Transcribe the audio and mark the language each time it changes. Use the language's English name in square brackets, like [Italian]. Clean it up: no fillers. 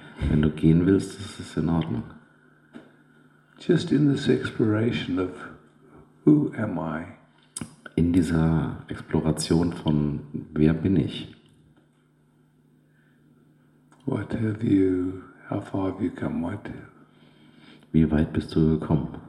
[German] Wenn du gehen willst, ist es in Ordnung. [English] Just in this exploration of who am I? [German] In dieser Exploration von wer bin ich? [English] What have you? How far have you come? What? [German] Wie weit bist du gekommen?